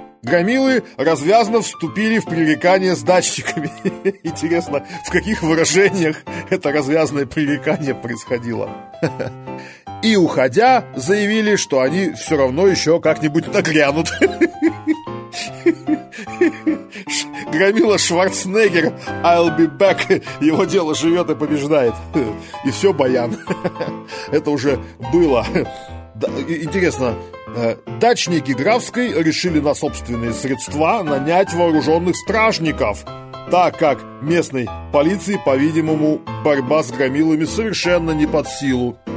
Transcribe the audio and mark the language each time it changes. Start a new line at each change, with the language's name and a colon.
Russian: Громилы развязно вступили в пререкание с дачниками. Интересно, в каких выражениях это развязное пререкание происходило? И, уходя, заявили, что они все равно еще как-нибудь нагрянут. Громила
English: Шварценеггер, I'll be back.
Russian: Его дело живет и побеждает. И все, баян. Это уже было. Интересно, дачники Графской решили на собственные средства нанять вооруженных стражников, так как местной полиции, по-видимому, борьба с громилами совершенно не под силу.